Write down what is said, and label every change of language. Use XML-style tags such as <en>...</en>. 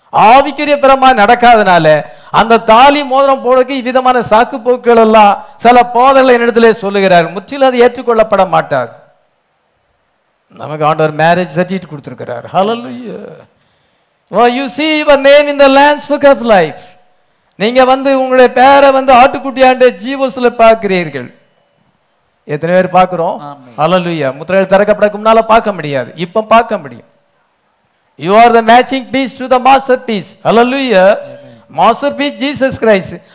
<ta>ஆவிக்குரிய பிரமா நடக்காதனால அந்த தாலி மோதிரம் போடுறதுக்கு இவ்விதமான சாக்கு போக்குகள் எல்லாம் சில போதல்ல என்னிடத்துல சொல்லுகிறார். முற்றிலும் அது ஏற்றுக்கொள்ளப்பட மாட்டார். நமக்கு ஆண்டவர் மேரேஜ் சர்டிஃபிகேட் கொடுத்துருக்கிறார். ஹல்லேலூயா.</ta> <en>You see your name in the lamb's book of life.</en> <ta>நீங்கள் வந்து உங்களுடைய பேரை வந்து ஆட்டுக்குட்டியாண்ட ஜீவோஸில் பார்க்கிறீர்கள். எத்தனை பேர் பார்க்குறோம்? ஹல்லேலூயா. முத்திரைகள் திறக்கப்படக்கு முன்னால் பார்க்க முடியாது, இப்போ பார்க்க முடியும்.</ta> <en>You are the matching piece to the master piece. Hallelujah. Master piece Jesus Christ.</en>